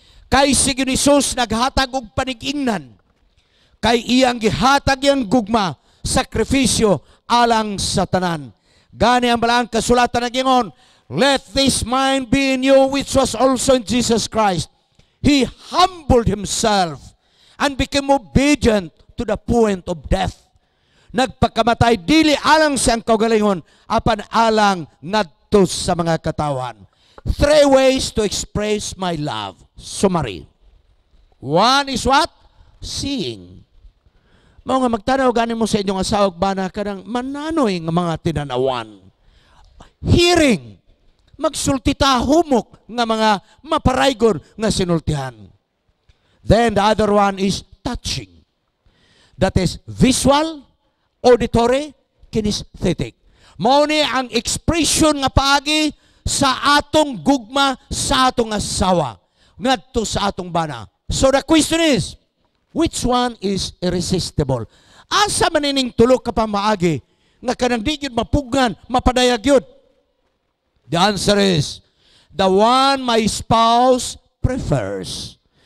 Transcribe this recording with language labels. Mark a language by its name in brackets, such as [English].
[Cebuano] Kay si Jesus naghatag og panig-ingnan, kay iyang gihatag iyang gugma, sakripisyo alang sa tanan. Gani ang balaang kasulatan na gingon, [English] let this mind be in you which was also in Jesus Christ. He humbled himself and became obedient to the point of death. [Cebuano] Nagpakamatay dili alang sa ang kaugalingon, apan alang ngadto sa mga katawan. [English] Three ways to express my love. Summary. One is what? seeing. [Cebuano] Mao nga magtanaw gani mo sa inyong asawag bana kanang mananoy nga mga tinanawan. Hearing, magsultita humok nga mga maparaygon nga sinultihan. [English] Then the other one is touching. That is visual, auditory, kinesthetic. [Cebuano] Mao ni ang expression nga paagi sa atong gugma sa atong asawa ngadto sa atong bana. [English] So the question is, which one is irresistible? [Cebuano] Asa man ining tulo ka pamaagi nga kanang di gyud mapugan, mapadayag yun? [English] The answer is the one my spouse prefers.